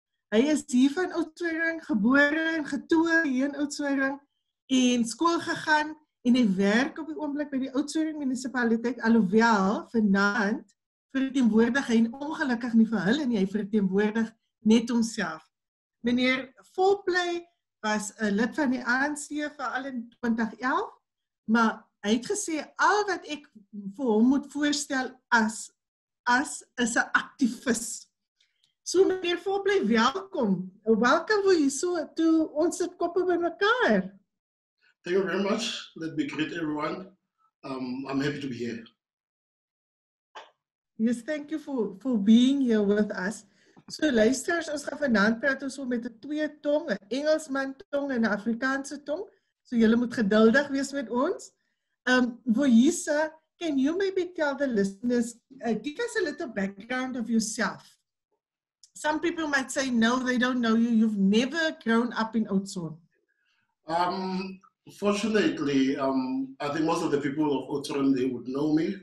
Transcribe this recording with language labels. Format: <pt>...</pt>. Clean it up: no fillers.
<af>Hy is hier van Oudtshoorn, gebore en getoe hier in Oudtshoorn en skool gegaan en hy werk op die oomblik by die Oudtshoorn munisipaliteit, alhoewel vanaand verteenwoordig hy ongelukkig nie vir hulle nie, hy verteenwoordig net homself. Meneer Volpley was 'n lid van die ANC vir al in 2011, maar hy het gesê al wat ek vir hom moet voorstel as is 'n aktivis. So meneer Volpley, welkom. Welkom voor jou so toe ons het koppe by mekaar.</af> <en>Thank you very much. Let me greet everyone. I'm happy to be here. Yes, thank you for being here with us.</en> <af>So luisteraars, ons gaan vanaand praat ons met 'n twee tong, 'n Engelsman tong en 'n Afrikaanse tong. So julle moet geduldig wees met ons.</af> <en>Voisa, can you maybe tell the listeners, give us a little background of yourself? Some people might say, no, they don't know you. You've never grown up in Oudtshoorn. Fortunately, I think most of the people of Oudtshoorn, they would know me.</en>